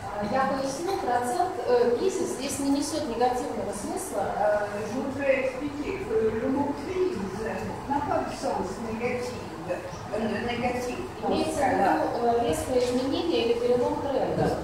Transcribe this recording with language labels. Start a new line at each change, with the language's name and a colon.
Russian: Я поясню, процент кризис здесь не несет негативного смысла.
French: Je voudrais expliquer que le mot crise n'a pas de sens négatif.
Russian: Имеется в виду резкое изменение или перелом тренда.